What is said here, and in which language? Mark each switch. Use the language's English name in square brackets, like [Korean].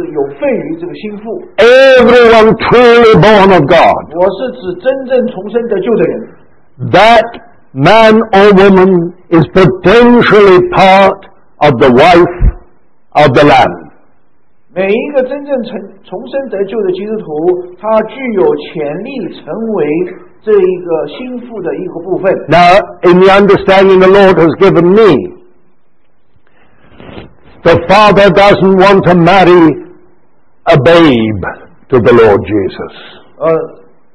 [Chinese] 那我个人的相信是，每一个蒙宝血拯救的神的儿女，都在原则上是有份于这个心腹。 [English] Everyone truly born of God. [Chinese] 我是指真正重生得救的人。 [English] That man or woman is potentially part of the wife of the Lamb. [Chinese] 每一个真正重生得救的基督徒，他具有潜力成为这一个心腹的一个部分。 [English] Now, in the understanding the Lord has given me, the Father doesn't want to marry a babe to the Lord Jesus.